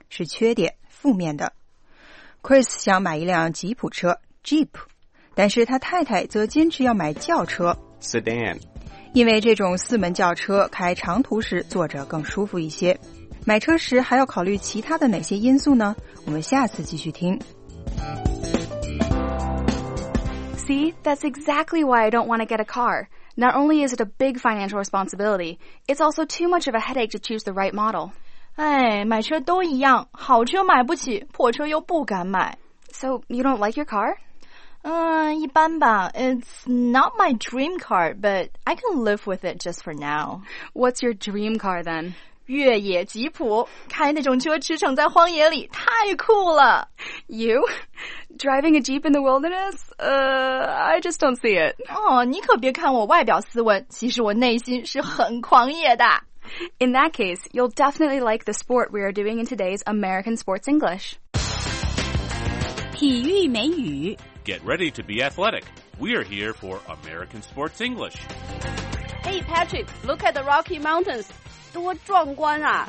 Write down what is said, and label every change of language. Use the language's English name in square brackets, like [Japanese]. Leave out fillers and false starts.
[Chinese] 是缺点，负面的。Chris 想买一辆吉普车 ,Jeep, 但是他太太则坚持要买轿车 [English] ,Sedan, [Chinese] 因为这种四门轿车开长途时坐着更舒服一些。买车时还要考虑其他的哪些因素呢？我们下次继续听。 [English] See, that's exactly why I don't want to get a car. Not only is it a big financial responsibility, it's also too much of a headache to choose the right model. [Chinese] 哎，买车都一样，好车买不起，破车又不敢买。 [English] So, you don't like your car? [Chinese] 一般吧。 [English] It's not my dream car, but I can live with it just for now. What's your dream car then? [Chinese] 越野吉普，开那种车驰骋在荒野里，太酷了。 [English] You? Driving a Jeep in the wilderness? I just don't see it. [Chinese] 哦，你可别看我外表斯文，其实我内心是很狂野的。 [English] In that case, you'll definitely like the sport we are doing in today's American Sports English. [Chinese] 体育美语。 [English] Get ready to be athletic. We are here for American Sports English. Hey Patrick, look at the Rocky Mountains. [Chinese] 多壮观啊